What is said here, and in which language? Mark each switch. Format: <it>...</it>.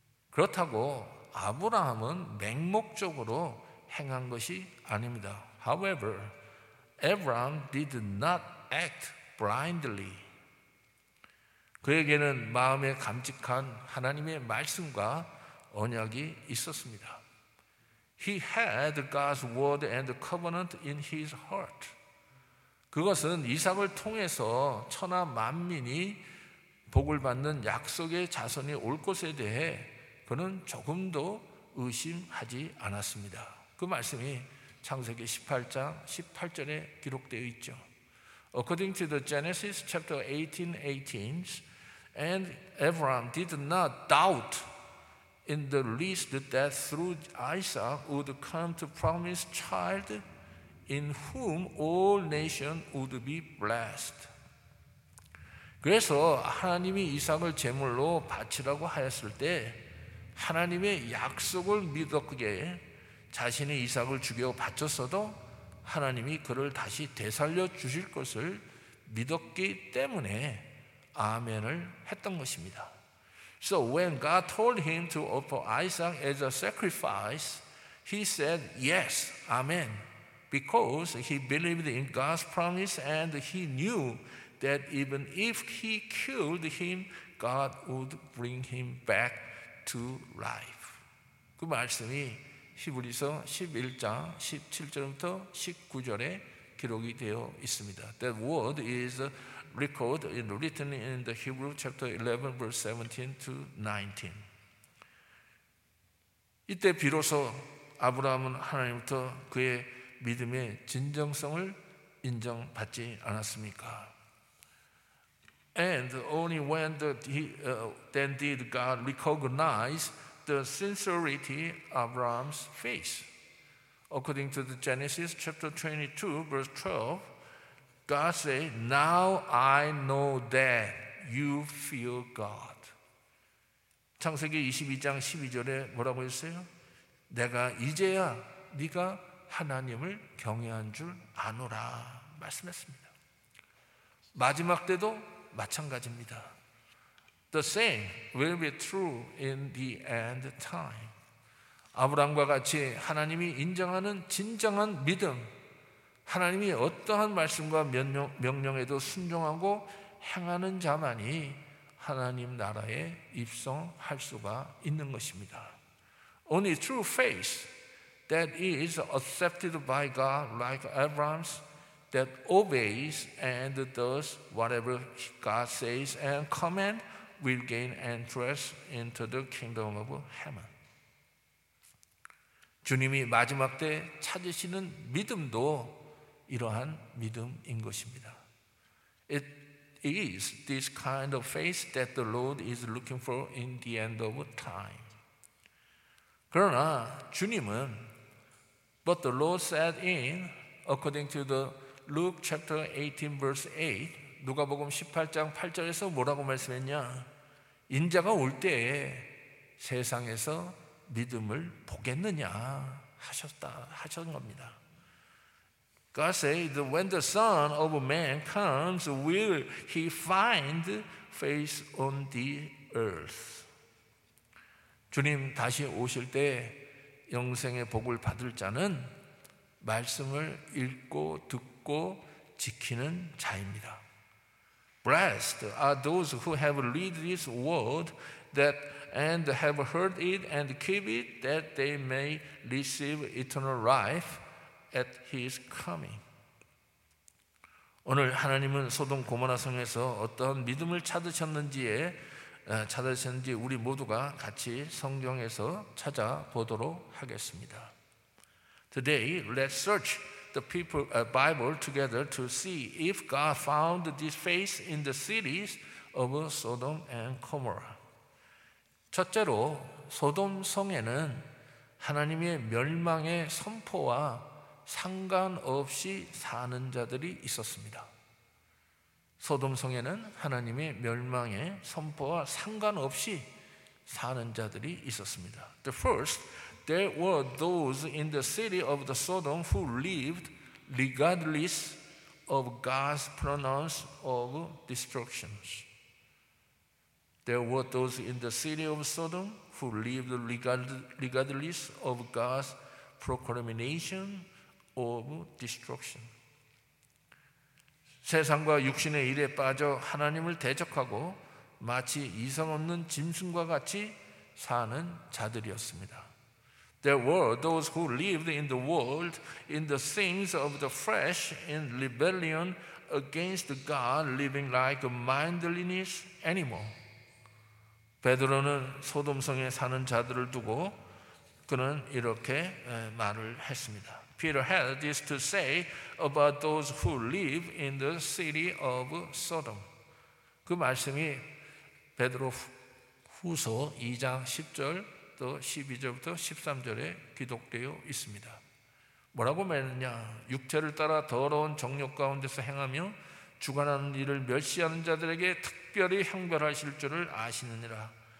<ko>그렇다고 아브라함은 맹목적으로 행한 것이 아닙니다.</ko> <en>However, Abraham did not act blindly.</en> <ko>그에게는 마음에 감직한 하나님의 말씀과 언약이 있었습니다.</ko> <en>He had God's word and covenant in his heart.</en> <ko>그것은 이삭을 통해서 천하 만민이 복을 받는 약속의 자손이 올 것에 대해 그는 조금도 의심하지 않았습니다. 그 말씀이 창세기 18장 18절에 기록되어 있죠.</ko> <en>According to the Genesis chapter 18:18, and Abraham did not doubt in the least that through Isaac would come the promised child in whom all nations would be blessed.</en> <ko>그래서 하나님이 이삭을 제물로 바치라고 하였을 때 하나님의 약속을 믿었기에 자신이 이삭을 죽여 바쳤어도 하나님이 그를 다시 되살려 주실 것을 믿었기 때문에 아멘을 했던 것입니다.</ko> <en>So when God told him to offer Isaac as a sacrifice, he said yes, amen, because he believed in God's promise and he knew that even if he killed him, God would bring him back to life.</en> <ko>그 말씀이 히브리서 11장 17절부터 19절에 기록이 되어 있습니다.</ko> <en>That word is recorded and written in the Hebrew chapter 11 verse 17 to 19.</en> <ko>이때 비로소 아브라함은 하나님부터 그의 믿음의 진정성을 인정받지 않았습니까?</ko> <en>And only when then did God recognize the sincerity of Abraham's faith. According to the Genesis chapter 22, verse 12, God said, Now I know that you fear God.</en> <ko>창세기 22장 12절에 뭐라고 했어요? 내가 이제야 네가 하나님을 경외한 줄 아노라 말씀했습니다. 마지막 때도 마찬가지입니다.</ko> <en>The same will be true in the end time.</en> <ko>아브라함과 같이 하나님이 인정하는 진정한 믿음, 하나님이 어떠한 말씀과 명령에도 순종하고 행하는 자만이 하나님 나라에 입성할 수가 있는 것입니다.</ko> <en>Only true faith that is accepted by God like Abraham's that obeys and does whatever God says and command will gain entrance into the kingdom of heaven.</en> <ko>주님이 마지막 때 찾으시는 믿음도 이러한 믿음인 것입니다.</ko> <en>It is this kind of faith that the Lord is looking for in the end of time.</en> <ko>그러나 주님은</ko> <en>But the Lord said in according to the Luke chapter 18 verse 8</en> <ko>누가복음 18장 8절에서 뭐라고 말씀했냐 인자가 올 때 세상에서 믿음을 보겠느냐 하셨다 하셨던 겁니다.</ko> <en>God said when the son of man comes will he find faith on the earth.</en> <ko>주님 다시 오실 때 영생의 복을 받을 자는 말씀을 읽고 듣고 지키는 자입니다.</ko> <en>Blessed are those who have read this word that and have heard it and keep it that they may receive eternal life at his coming.</en> <ko>오늘 하나님은 소돔 고모라 성에서 어떤 믿음을 찾으셨는지 우리 모두가 같이 성경에서 찾아보도록 하겠습니다.</ko> <en>Today let's search the people, Bible together to see if God found this faith in the cities of Sodom and Gomorrah.</en> <ko>첫째로 소돔 성에는 하나님의 멸망의 선포와 상관없이 사는 자들이 있었습니다. 소돔 성에는 하나님의 멸망의 선포와 상관없이 사는 자들이 있었습니다.</ko> <en>The first, there were those in the city of the Sodom who lived regardless of God's pronounce of destructions. There were those in the city of Sodom who lived regardless of God's proclamation of destruction.</en> <ko>세상과 육신의 일에 빠져 하나님을 대적하고 마치 이성 없는 짐승과 같이 사는 자들이었습니다.</ko> <en>There were those who lived in the world in the things of the flesh in rebellion against God, living like a mindless animal.</en> <ko>베드로는 소돔성에 사는 자들을 두고 그는 이렇게 말을 했습니다.</ko> <en>Peter had this to say about those who live in the city of Sodom.</en> <ko>그 말씀이 베드로 후서 2장 10절 또 12절부터 13절에 기록되어 있습니다. 뭐라고 말했냐? 육체를 따라 더러운 정욕 가운데서 행하며 주관하는 일을 멸시하는 자들에게 특별히 형벌하실 줄을 아시느니라.</ko>